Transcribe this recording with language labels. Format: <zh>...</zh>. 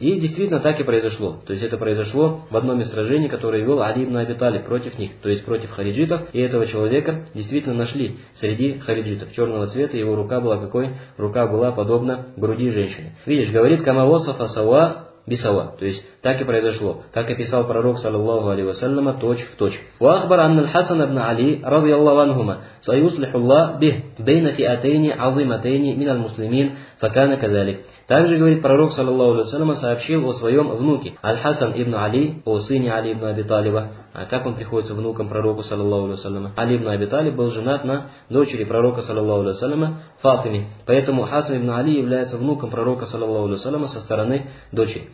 <ru>И действительно так и произошло. То есть это произошло в одном из сражений, которое вел Али ибн Аби Талиб против них, то есть против хариджитов. И этого человека действительно нашли среди хариджитов. Черного цвета, его рука была какой? Рука была подобна груди женщины. Видишь, говорит Камавоса Фасауа Бисава. То есть так и произошло, как описал пророк, саллаллаху алейхи ва саллям, точь в точь.</ru> <ar>وأخبر أن الحسن بن علي رضي الله عنهما سيصلح الله به بين فئتين عظيمتين من المسلمين فكان كذلك.</ar> <ru>Также говорит пророк, саллаллаху алейхи ва саллям, сообщил о своем внуке Аль-Хасан ибн Али, о сыне Али ибн Аби Талиба. А как он приходится внуком пророку, саллаллаху алейхи ва саллям? Али ибн Аби Талиб был женат на дочери пророка, саллаллаху алейхи ва саллям, Фатиме. Поэтому Хасан ибн Али является внуком пророка, саллаллаху алейхи ва саллям, со стороны дочери.</ru>